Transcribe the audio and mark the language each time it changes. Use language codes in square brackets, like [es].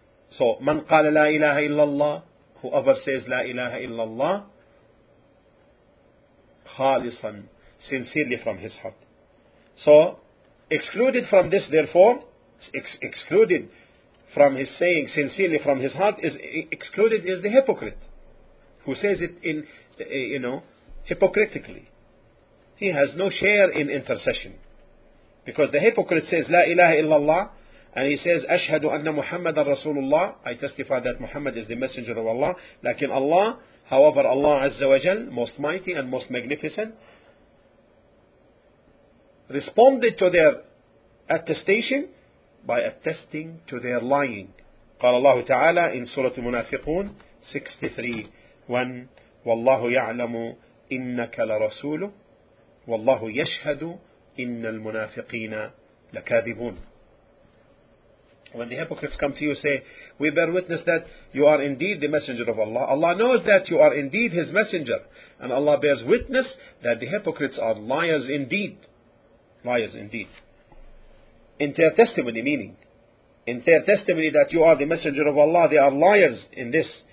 [ar] So, من قال لا إله إلا الله, [en] whoever says [ar] لا إله إلا الله خالصا, [en] sincerely from his heart. So, excluded from this, therefore, excluded from his saying sincerely from his heart, is excluded is the hypocrite, who says it in, you know, hypocritically. He has no share in intercession. Because the hypocrite says, La ilaha illallah, and he says, [ar] Ashhadu anna Muhammadan Rasulullah, [en] I testify that Muhammad is the messenger of Allah, [ar] lakin [en] Allah, however, Allah Azza wa Jal, most mighty and most magnificent, responded to their attestation by attesting to their lying. [ar] قال الله تعالى [en] in Surah Munafiqun 63:1, [ar] وَاللَّهُ يَعْلَمُ إِنَّكَ لَرَسُولُ وَاللَّهُ يَشْهَدُ إِنَّ الْمُنَافِقِينَ لَكَاذِبُونَ. [en] When the hypocrites come to you, say, we bear witness that you are indeed the messenger of Allah. Allah knows that you are indeed His messenger. And Allah bears witness that the hypocrites are liars indeed. Liars indeed. In their testimony, meaning, in their testimony that you are the messenger of Allah, they are liars in this.